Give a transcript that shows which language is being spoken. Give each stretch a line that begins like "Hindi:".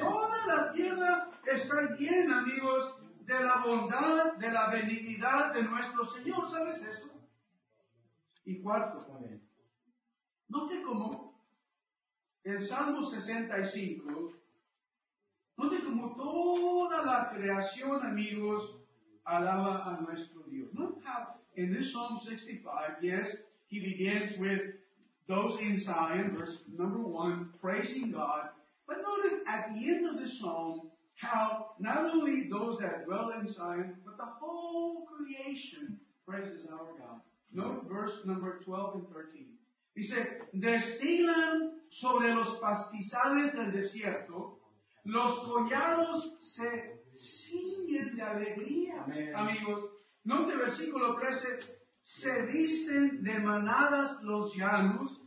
Spanish: Toda la tierra está llena, amigos, de la bondad, de la benignidad de nuestro Señor. ¿Sabes eso? Y cuarto, amén. Note cómo el Salmo 65, note cómo toda la creación, amigos, alaba a nuestro Dios.
English: Note how in this Psalm 65, yes, he begins with those in Zion, verse number one, praising God. But notice at the end of this psalm how not only those that dwell in Zion, but the whole creation praises our God. Note verse number 12 and 13. He said,
Spanish: destilan sobre los pastizales del desierto, los collados se ciñen de alegría. Amen. Amigos, note versículo 13. Se visten de manadas los llanos,